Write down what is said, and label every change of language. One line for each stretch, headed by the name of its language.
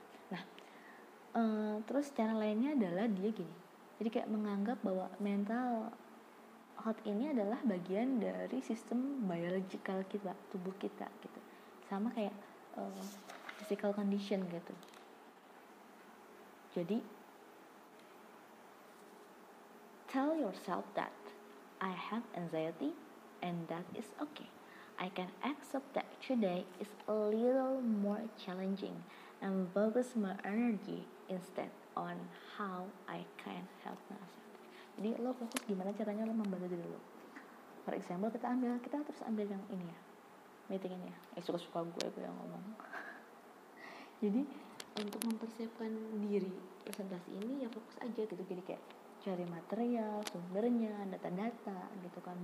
Indonesian: Nah, terus cara lainnya adalah dia gini. Jadi kayak menganggap bahwa mental health ini adalah bagian dari sistem biological kita, tubuh kita gitu. Sama kayak physical condition gitu. Jadi
English: tell yourself that I have anxiety and that is okay. I can accept that today is a little more challenging and focus my energy instead on how I can help myself.
Indonesian: Jadi lo fokus gimana caranya lo membantu diri lo.
English: For example,
Indonesian: kita terus ambil yang ini ya, meeting ini ya. Suka-suka gue yang ngomong. Jadi untuk mempersiapkan diri presentasi ini ya fokus aja gitu. Jadi kayak cari material, sumbernya, data-data gitu kan.